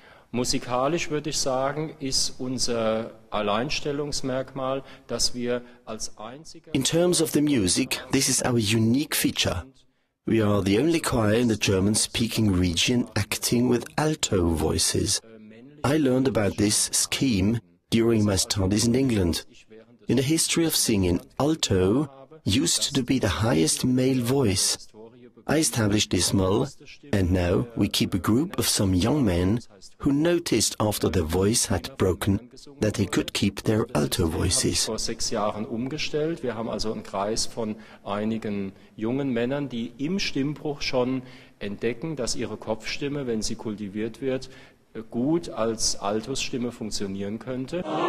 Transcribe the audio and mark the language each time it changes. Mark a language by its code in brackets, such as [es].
[de] Musikalisch würde ich sagen, ist unser Alleinstellungsmerkmal, dass wir als einziger. [en] In terms of the music, this is our unique feature. We are the only choir in the German-speaking region acting with alto voices. I learned about this scheme during my studies in England. In the history of singing, alto used to be the highest male voice. I established this model, and now we keep a group of some young men who noticed after their voice had broken that they could keep their alto voices. [de] Vor 6 Jahren umgestellt. Wir haben also einen Kreis von einigen jungen Männern, die im Stimmbruch schon entdecken, dass ihre Kopfstimme, wenn sie kultiviert wird, gut als Altosstimme funktionieren könnte.